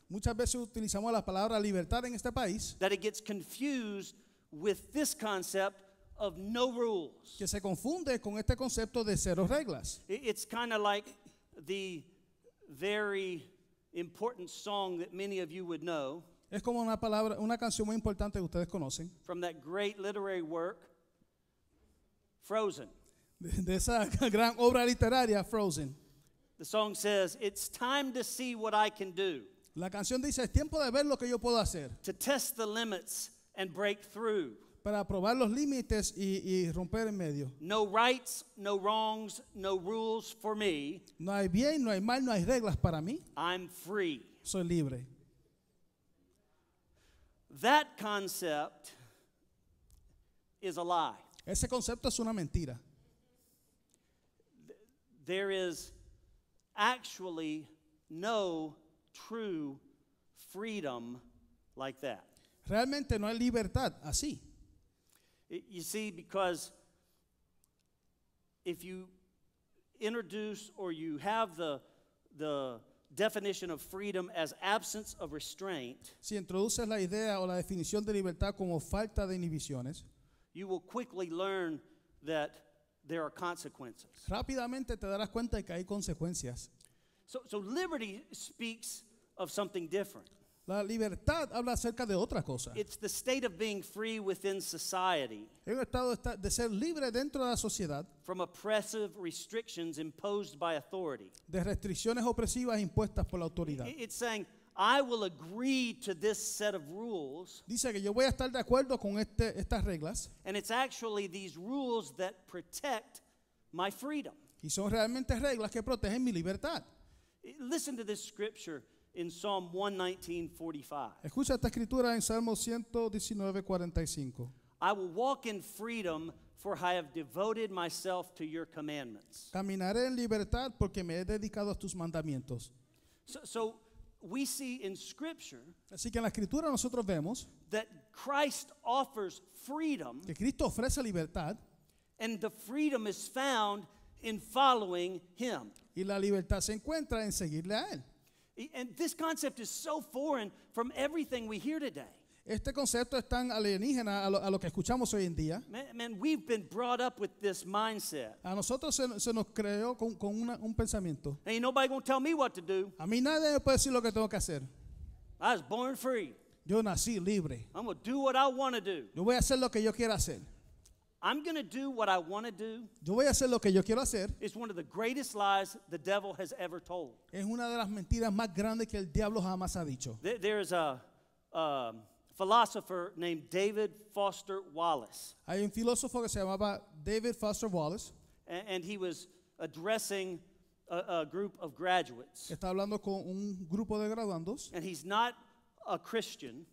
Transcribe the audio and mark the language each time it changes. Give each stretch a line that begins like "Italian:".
Spanish: Muchas veces utilizamos la palabra libertad en este país.
English: That it gets confused with this concept of no rules.
Spanish: Que se confunde con este concepto de cero reglas.
English: It's kind of like the very important song that many of you would know.
Spanish: Es como una canción muy importante que ustedes conocen.
English: From that great literary work, Frozen.
Spanish: De esa gran obra literaria, Frozen.
English: The song says, "It's time to see what I can do."
Spanish: La canción dice, "Es tiempo de ver lo que yo puedo hacer."
English: To test the limits and break through.
Spanish: Para probar los límites y romper en medio.
English: No rights, no wrongs, no rules for me.
Spanish: No hay bien, no hay mal, no hay reglas para mí.
English: I'm free.
Spanish: Soy libre.
English: That concept is a lie.
Spanish: Ese concepto es una mentira.
English: There is actually know true freedom like that.
Spanish: Realmente no hay libertad así.
English: You see, because if you introduce or you have the definition of freedom as absence of restraint,
Spanish: si introduces la idea o la definición de libertad como falta de inhibiciones,
English: you will quickly learn that there are consequences.
Spanish: Rápidamente te darás cuenta de que hay consecuencias.
English: So liberty speaks of something different.
Spanish: La libertad habla acerca de otra cosa.
English: It's the state of being free within society.
Spanish: El estado de ser libre dentro de la sociedad.
English: From oppressive restrictions imposed by authority.
Spanish: De restricciones opresivas impuestas por la autoridad.
English: It's saying, I will agree to this set of rules.
Spanish: Dice que yo voy a estar de acuerdo con estas reglas.
English: And it's actually these rules that protect my freedom.
Spanish: Y son realmente reglas que protegen mi libertad.
English: Listen to this scripture in Psalm 119:45.
Spanish: Escucha esta escritura en Salmo 119:45.
English: I will walk in freedom, for I have devoted myself to your commandments.
Spanish: Caminaré en libertad porque me he dedicado a tus mandamientos.
English: So we see in scripture,
Spanish: así que en la escritura nosotros vemos,
English: that Christ offers freedom,
Spanish: que Cristo ofrece libertad,
English: and the freedom is found in following him.
Spanish: Y la libertad se encuentra en seguirle a él.
English: And this concept is so foreign from everything we hear today.
Spanish: Este concepto es tan alienígena a lo que escuchamos hoy en día.
English: Man, we've been brought up with this mindset.
Spanish: A nosotros se nos creó con un pensamiento.
English: Ain't nobody gonna tell me what to do.
Spanish: A mí nadie me puede decir lo que tengo que hacer.
English: I was born free.
Spanish: Yo nací libre.
English: I'm gonna do what I want to do.
Spanish: Yo voy a hacer lo que yo quiera hacer.
English: I'm going to do what I want to do.
Spanish: Yo voy a hacer lo que yo quiero hacer.
English: It's one of the greatest lies the devil has ever told.
Spanish: Es una de las mentiras más grandes que el diablo jamás ha dicho.
English: There is a philosopher named David Foster Wallace.
Spanish: Hay un filósofo que se llamaba David Foster Wallace.
English: And he was addressing a group of graduates.
Spanish: Está hablando con un grupo de graduandos.
English: And he's not a Christian.